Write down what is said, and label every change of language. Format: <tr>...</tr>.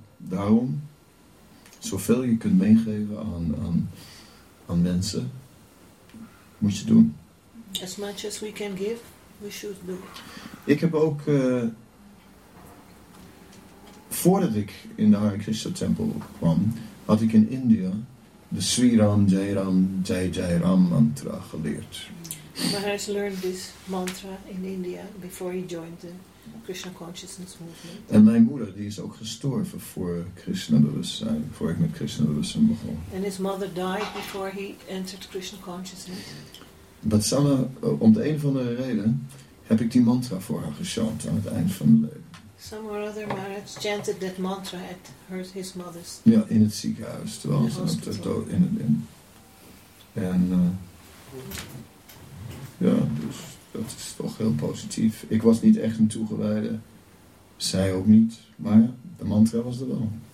<nl>Daarom, zoveel je kunt meegeven aan mensen, moet je doen.</nl> <en>As much as we can give, we should do.</en> <nl>Ik heb ook, voordat ik in de Hare Krishna tempel kwam, had ik in India de Sri Ram Jai Ram Jai Jai Ram mantra geleerd.</nl> <en>Maharaj learned this mantra in India before he joined the Krishna Consciousness Movement.</en> <nl>En mijn moeder, die is ook gestorven voor Krishna bewustzijn, voor ik met Krishna bewustzijn begon.</nl> <en>And his mother died before he entered Krishna Consciousness.</en> <nl>Maar samen, om de een of andere reden, heb ik die mantra voor haar gechant aan het eind van mijn leven.</nl> <en>Somehow or other, Maharaj chanted that mantra at his mother's.</en> <nl>Ja, in het ziekenhuis, terwijl ze op de dood in het in. En ja, dus dat is toch heel positief. Ik was niet echt een toegewijde, zij ook niet, maar de mantra was er wel.</nl>